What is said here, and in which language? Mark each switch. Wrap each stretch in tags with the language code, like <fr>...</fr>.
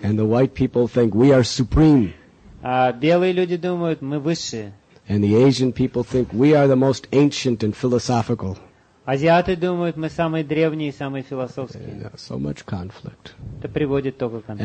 <en>And the white people think we are supreme.</en> <uk>А білі люди думають, ми вищі.</uk> <en>And the Asian people think we are the most ancient and philosophical.</en> <uk>Азіати думають, ми самі древні і самі філософські.</uk> <en>So much conflict.</en> <uk>Це приводить до конфлікту.</uk>